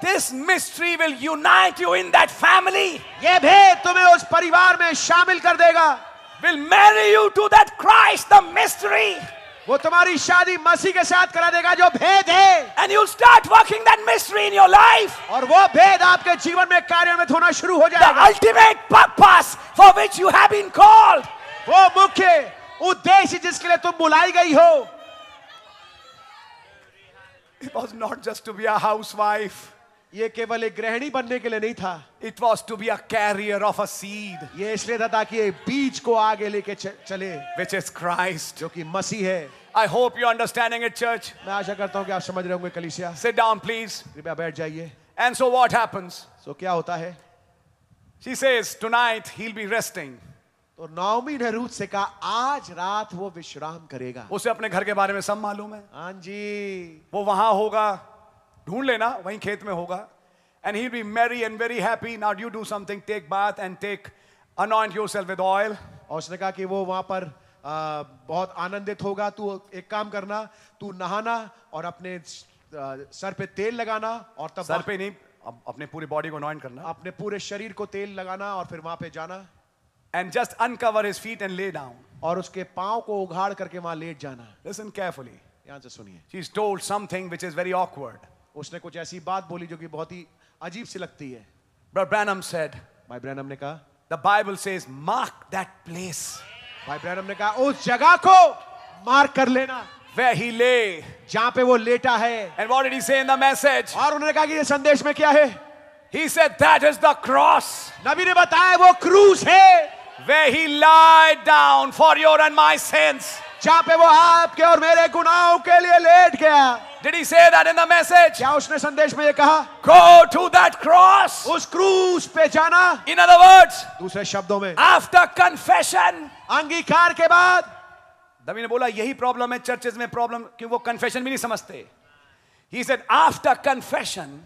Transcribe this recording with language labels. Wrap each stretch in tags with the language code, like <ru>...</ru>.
<en>This mystery will unite you in that family.</en> <hi>ये भेद तुम्हें उस परिवार में शामिल कर देगा.</hi> <en>Will marry you to that Christ, the mystery.</en> <hi>वो तुम्हारी शादी मसीह के साथ करा देगा जो भेद है.</hi> <en>And you'll start working that mystery in your life.</en> <hi>और वो भेद आपके जीवन में कार्यान्वित होना शुरू हो जाएगा.</hi> <en>The ultimate purpose for which you have been called.</en> <hi>वो मुख्य उद्देश्य जिसके लिए तुम बुलाई गई हो.</hi> <en>It was not just to be a housewife.</en> <hi>ये केवल एक गृहिणी बनने के लिए नहीं था.</hi> <en>It was to be a carrier of a seed.</en> <hi>ये इसलिए था ताकि ये बीज को आगे लेके चले.</hi> <en>Which is Christ.</en> <hi>जो कि मसीह है.</hi> <en>I hope you're understanding it, church.</en> <hi>मैं आशा करता हूँ कि आप समझ रहे होंगे कलीसिया.</hi> <en>Sit down, please.</en> <hi>कृपया बैठ जाइए.</hi> <en>And so what happens?</en> <hi>So क्या होता है?</hi> <en>She says, tonight he'll be resting.</en> <hi>तो नाओमी ने रूथ से कहा, आज रात वो विश्राम करेगा. उसे अपने घर के बारे में सब मालूम है. हाँ जी, वो वहां होगा, ढूंढ लेना, वहीं खेत में होगा.</hi> <en>And he will be merry and very happy. Now you do something, take bath and take anoint yourself with oil.</en> <hi>और उसने कहा कि वो वहां पर बहुत आनंदित होगा. तू एक काम करना, तू नहाना और अपने सर पे तेल लगाना और तब सर पे नहीं, अपने पूरे बॉडी को अनॉइंट करना, अपने पूरे शरीर को तेल लगाना और फिर वहां पे जाना.</hi> <en>And just uncover his feet and lay down.</en> <hi>और उसके पांव को उघाड़ करके वहां लेट जाना.</hi> <en>Listen carefully.</en> <hi>यहां से सुनिए.</hi> <en>She's told something which is very awkward.</en> <hi>उसने कुछ ऐसी बात बोली जो कि बहुत ही अजीब सी लगती है.</hi> <en>But Branham said.</en> <hi>भाई ब्रैनम ने कहा.</hi> <en>The Bible says, mark that place.</en> <hi>भाई ब्रैनम ने कहा, उस जगह को मार्क कर लेना.</hi> <en>Where he lay.</en> <hi>जहां पे वो लेटा है.</hi> <en>And what did he say in the message?</en> <hi>और उन्होंने कहा कि ये संदेश में क्या है?</hi> <en>He said, that is the cross.</en> <hi>नबी ने बताया वो क्रूस है.</hi> <en>Where he lied down for your and my sins.</en> <hi>जहाँ पे वो आपके और मेरे गुनाहों के लिए लेट गया.</hi> <en>Did he say that in the message?</en> <hi>क्या उसने संदेश में ये कहा?</hi> <en>Go to that cross.</en> <hi>उस क्रूस पे जाना.</hi> <en>In other words.</en> <hi>दूसरे शब्दों में.</hi> <en>After confession.</en> <hi>अंगीकार के बाद. नबी ने बोला यही प्रॉब्लम है चर्चेज में प्रॉब्लम, क्योंकि वो कन्फेशन भी नहीं समझते.</hi> <en>He said, after confession,</en>